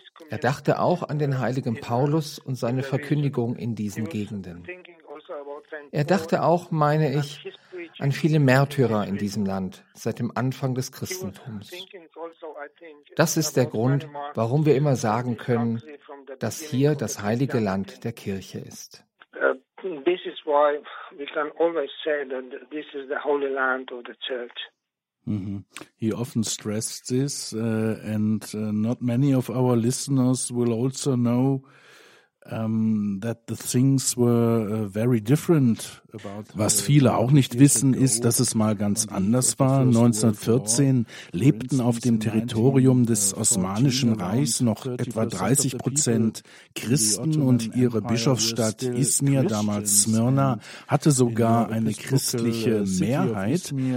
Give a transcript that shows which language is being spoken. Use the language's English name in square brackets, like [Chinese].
[German] Er dachte auch an den heiligen Paulus und seine Verkündigung in diesen Gegenden. Er dachte auch, meine ich, an viele Märtyrer in diesem Land seit dem Anfang des Christentums. Das ist der Grund, warum wir immer sagen können, dass hier das heilige Land der Kirche ist. [English] This is why we can always say that this is the holy land of the church. Mm-hmm. He often stressed this, and not many of our listeners will also know that the things were very different about. [German] Was viele auch nicht wissen, ist, dass es mal ganz anders war. 1914 lebten auf dem Territorium des Osmanischen Reichs noch etwa 30% Christen und ihre Bischofsstadt Izmir, damals Smyrna, hatte sogar eine christliche Mehrheit.